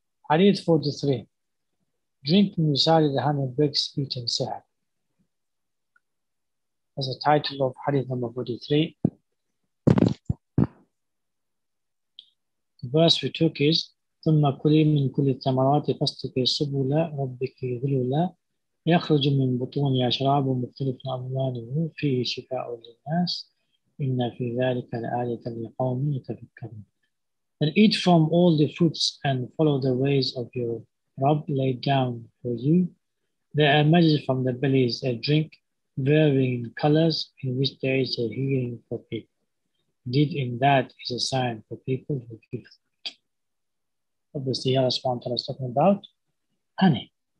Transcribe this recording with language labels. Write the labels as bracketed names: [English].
[English] Hadith 43. Drinking recited honey breaks eating sihr. As a title of Hadith number 43, the verse we took is, [Arabic] ثم كلي من كل الثمرات فاسلكي سبل ربك ذلولا يخرج من بطونها شراب مختلف ألوانه فيه شفاء للناس إن في ذلك لآية لقوم يتفكرون. [English] And eat from all the fruits and follow the ways of your Rabb laid down for you. There emerges from the bellies a drink varying in colors in which there is a healing for people. Indeed, in that is a sign for people who give. Obviously, Allah subhanahu wa ta'ala is talking about honey.